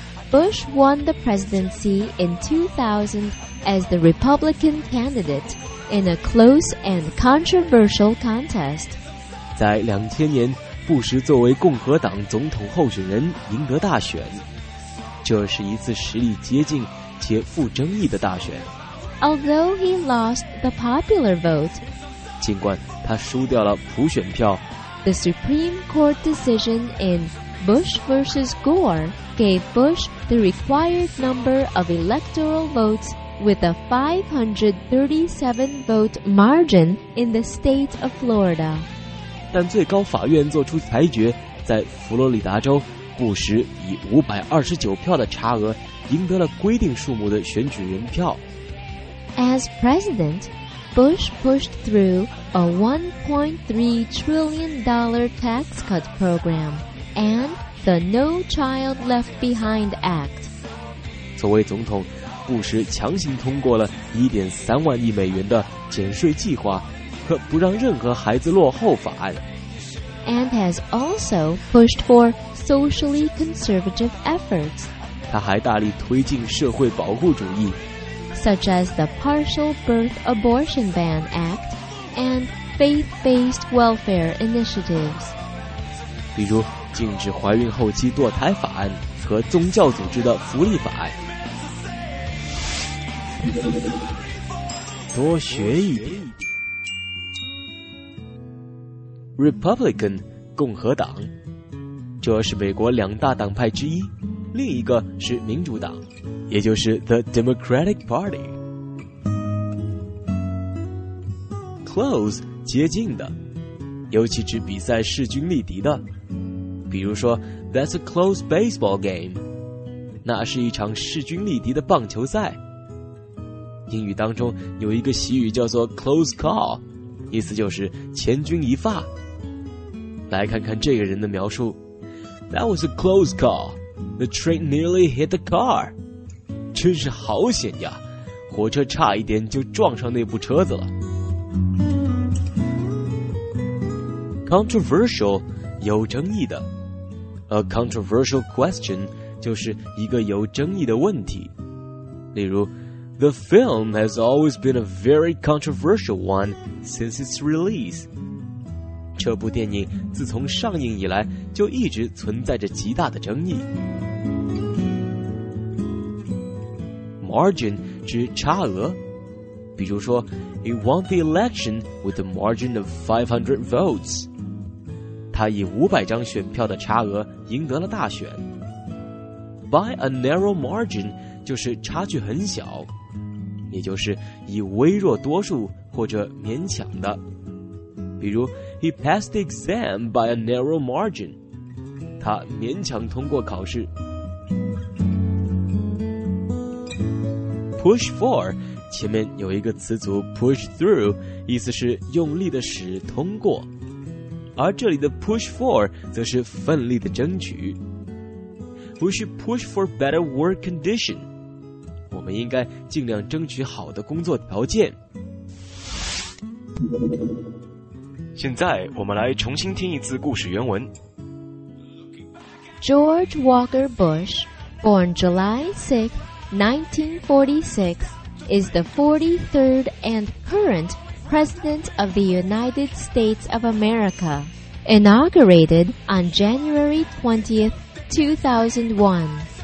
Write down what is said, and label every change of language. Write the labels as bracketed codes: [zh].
[en] Bush won the presidency in 2000 as the Republican candidate in a close and controversial contest. [zh] 在2000年，布什作为共和党总统候选人赢得大选，这是一次实力接近且富争议的大选。 [en] Although he lost the popular vote, [zh] 尽管他输掉了普选票， [en] the Supreme Court decision in Bush versus Gore gave Bush the required number of electoral votes with a 537-vote margin in the state of Florida. [zh] 但最高法院作出裁决，在佛罗里达州，布什以529票的差额赢得了规定数目的选举人票。 [en] As president, Bush pushed through a $1.3 trillion tax cut program and the No Child Left Behind Act. [zh] 作为总统，布什强行通过了1.3万亿美元的减税计划和不让任何孩子落后法案。 [en] And has also pushed for socially conservative efforts. [zh] 他还大力推进社会保护主义， [en] such as the Partial Birth Abortion Ban Act and faith-based welfare initiatives. [zh] 比如禁止怀孕后期堕胎法案和宗教组织的福利法案。多学一点。 Republican, 共和党，这是美国两大党派之一，另一个是民主党，也就是 The Democratic Party. Close, 接近的，尤其指比赛势均力敌的，比如说 [en] That's a close baseball game, [zh] 那是一场势均力敌的棒球赛。英语当中有一个习语叫做 close call, 意思就是千钧一发。来看看这个人的描述， [en] That was a close call, the train nearly hit the car. [zh] 真是好险呀，火车差一点就撞上那部车子了。 Controversial, 有争议的。 [en] A controversial question [zh] 就是一个有争议的问题，例如 [en] The film has always been a very controversial one since its release. [zh] 这部电影自从上映以来就一直存在着极大的争议。 [en] Margin [zh] 指差额，比如说 [en] He won the election with a margin of 500 votes. [zh] 他以500张选票的差额赢得了大选。 By a narrow margin 就是差距很小，也就是以微弱多数或者勉强的，比如 [en] He passed the exam by a narrow margin. [zh] 他勉强通过考试。 Push for, 前面有一个词组 push through, 意思是用力的使通过，而这里的 push for 则是奋力的争取。 [en] We should push for better work condition. [zh] 我们应该尽量争取好的工作条件。现在我们来重新听一次故事原文。 [en] George Walker Bush, born July 6th,1946 is the 43rd and current President of the United States of America. inaugurated on January 20, 2001.